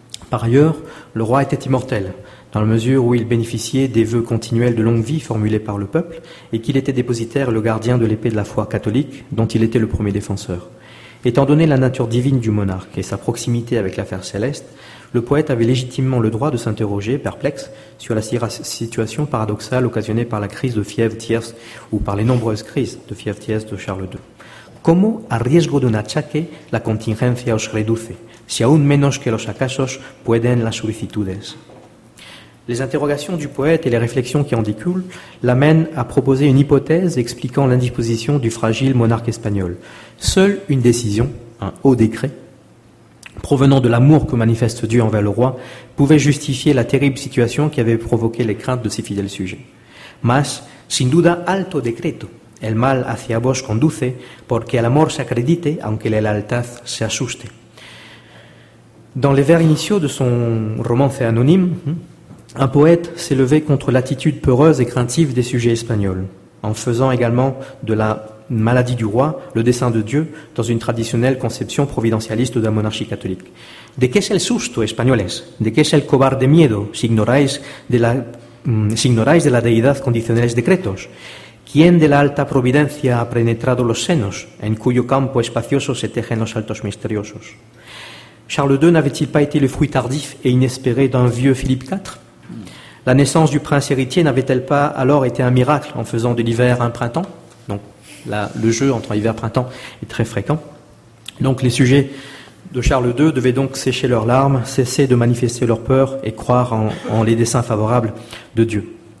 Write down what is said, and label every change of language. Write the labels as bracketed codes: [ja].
[fr] Par ailleurs, le roi était immortel, dans la mesure où il bénéficiait des vœux continuels de longue vie formulés par le peuple, et qu'il était dépositaire le gardien de l'épée de la foi catholique, dont il était le premier défenseur. Étant donné la nature divine du monarque et sa proximité avec l'affaire céleste, le poète avait légitimement le droit de s'interroger, perplexe, sur la situation paradoxale occasionnée par la crise de fièvre tierce ou par les nombreuses crises de fièvre tierce de Charles II. [es] ¿Cómo, a riesgo de un achaque, la contingencia os reduce, si aún menos que los acasos pueden las solicitudes? [fr] Les interrogations du poète et les réflexions qui en découlent l'amènent à proposer une hypothèse expliquant l'indisposition du fragile monarque espagnol. Seule une décision, un haut décret, provenant de l'amour que manifeste Dieu envers le roi, pouvait justifier la terrible situation qui avait provoqué les craintes de ses fidèles sujets. [es] Mas, sin duda, alto decreto. El mal hacia vos conduce, porque el amor se acredite, aunque la lealtad se asuste. [fr] Dans les vers initiaux de son roman fait anonyme, un poète s'est levé contre l'attitude peureuse et craintive des sujets espagnols, en faisant également de la maladie du roi le dessein de Dieu dans une traditionnelle conception providentialiste de la monarchie catholique. [es] ¿De qué es el susto, españoles? ¿De qué es el cobarde miedo si ignoráis de la deidad condicionales decretos? ¿Quién de la alta providencia ha penetrado los senos, en cuyo campo espacioso se tejen los altos misteriosos? [fr] Charles II n'avait-il pas été le fruit tardif et inespéré d'un vieux Philippe IV? La naissance du prince héritier n'avait-elle pas alors été un miracle en faisant de l'hiver un printemps? Donc, là, le jeu entre hiver et printemps est très fréquent. Donc, les sujets de Charles II devaient donc sécher leurs larmes, cesser de manifester leur peur et croire en les desseins favorables de Dieu.